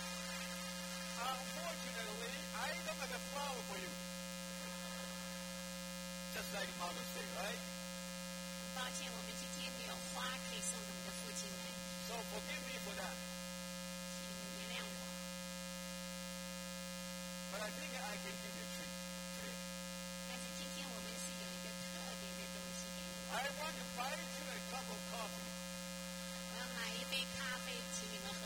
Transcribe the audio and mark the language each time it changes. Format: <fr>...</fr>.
<en>Unfortunately, I don't have a flower for you. Just like Mother's Day, right?</en> <zh>抱歉，我们今天没有花可以送给我们的父亲们。</zh> <en>So forgive me for that.</en> <zh>请原谅我。</zh> <en>But I think I can give you a treat today.</en> <zh>但是今天我们是有一个特别的东西给你。</zh> <en>I want to buy you a cup of coffee.</en> <zh>我要买一杯咖啡请你们喝。</zh>